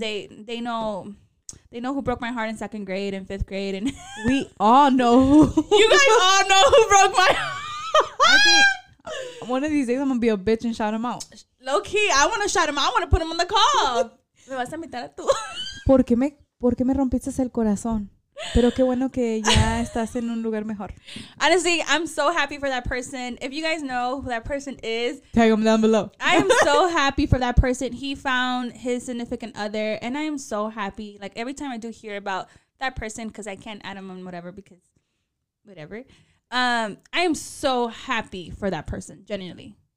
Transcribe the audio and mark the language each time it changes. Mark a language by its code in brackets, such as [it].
[en] They know who broke my heart in second grade and fifth grade. And we all know who. You guys all know who broke my heart. I think one of these days I'm going to be a bitch and shout him out. Low key, I want to shout him out. I want to put him on the call. [es] Me vas a invitar a tú. ¿Por qué me rompiste el corazón? Pero qué bueno que ya estás en un lugar mejor. [en] Honestly, I'm so happy for that person. If you guys know who that person is, tag them down below. I am so happy for that person. He found his significant other, and I am so happy. Like, every time I do hear about that person, because I can't add him on whatever, because whatever. I am so happy for that person, genuinely.